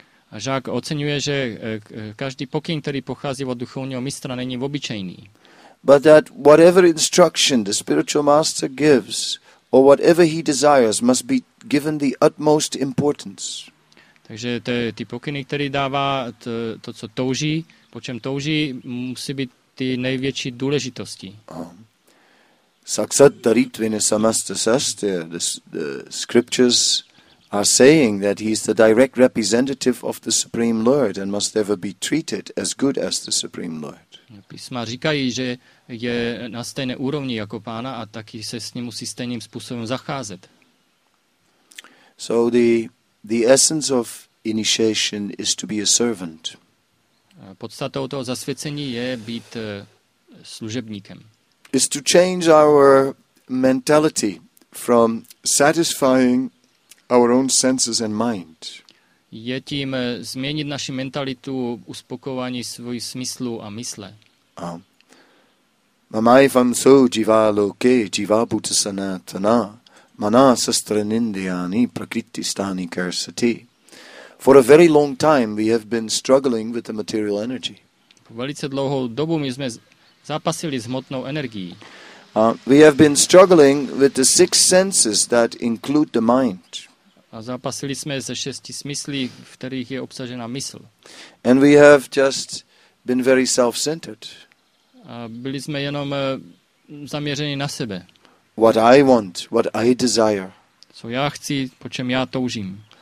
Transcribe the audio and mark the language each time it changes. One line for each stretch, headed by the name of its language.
Czech: A žák oceňuje, že každý pokyn, který pochází od duchovního mistra, není obyčejný.
English: But that whatever instruction the spiritual master gives or whatever he desires must be given the utmost importance.
Czech: Takže ty pokyny, které dává to, co touží, po čem touží, musí být ty největší důležitosti.
Sanskrit: Saksat daritvine samasta sastya.
English: The scriptures are saying that he is the direct representative of the Supreme Lord and must ever be treated as good as the Supreme Lord.
Czech: Písma říkají, že je na stejné úrovni jako pána a taky se s ním musí stejným způsobem zacházet.
English: So the essence of initiation is to be a servant.
Czech: Podstatou toho zasvěcení je být služebníkem.
English: Is to change our mentality from satisfying our own senses and mind.
Czech: Je tím změnit naši mentalitu uspokojování svých smyslů a mysle.
Sanskrit: Mamai vam so jiva loke jiva bhuta sanatana mana sastra nindiyani prakriti stani karsati.
English: For a very long time we have been struggling with the material energy.
Czech: Po velice dlouhou dobu my jsme zápasili s hmotnou energií.
English: We have been struggling with the six senses that include the mind.
Czech: A zápasili jsme se šesti smysly, v kterých je obsažena mysl.
English: And we have just been very self-centered.
Czech: A byli jsme jenom zaměřeni na sebe.
English: What I want, what I desire.
Czech: Co já chci, po čem já toužím.